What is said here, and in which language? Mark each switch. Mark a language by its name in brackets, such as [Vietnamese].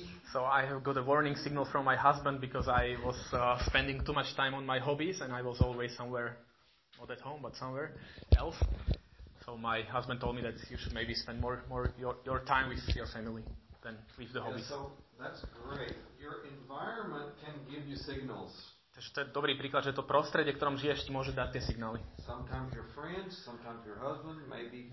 [English] So I have got a warning signal from my husband because I was spending too much time on my hobbies and I was always somewhere, not at home, but somewhere else. So my husband told me that you should maybe spend more your time with your family than with the hobbies. Yeah, so that's great. Your environment can give you signals. [Slovak] Takže to je dobrý príklad, že to prostredie, ktorom žiješ, ti môže dať tie signály. [English] Sometimes your friends, sometimes your husband, maybe.